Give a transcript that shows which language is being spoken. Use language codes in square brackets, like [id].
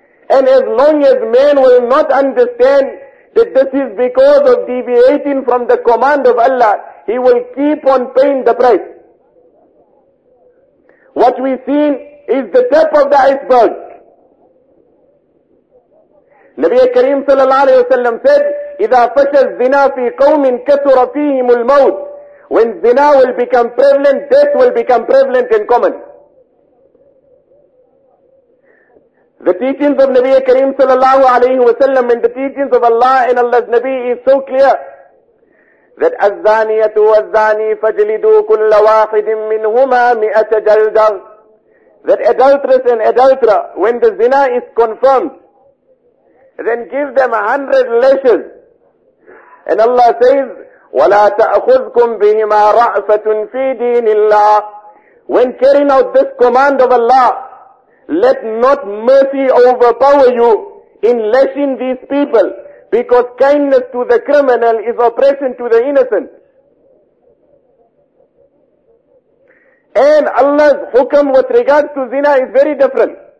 [en] And as long as man will not understand that this is because of deviating from the command of Allah, he will keep on paying the price. What we've seen is the tip of the iceberg. Nabi Kareem sallallahu alayhi wa sallam said, [ar] إِذَا فَشَ الزِّنَا فِي قَوْمٍ كَثُرَ فِيهِمُ الْمَوْتِ. [en] When zina will become prevalent, death will become prevalent and common. The teachings of Nabi Kareem sallallahu alayhi wa sallam and the teachings of Allah and Allah's Nabi is so clear that [ar] الزَّانِيَةُ وَالزَّانِي فَجْلِدُوا كُلَّ وَاحِدٍ مِّنْهُمَا مِئَةَ جَلْدًا. [en] That adulteress and adulterer, when the zina is confirmed, then give them 100 lashes. And Allah says, [ar] وَلَا تَأْخُذْكُمْ بِهِمَا رَأْفَةٌ فِي دِينِ اللَّهِ. [en] When carrying out this command of Allah, let not mercy overpower you in lashing these people, because kindness to the criminal is oppression to the innocent. And Allah's hukam with regards to zina is very different.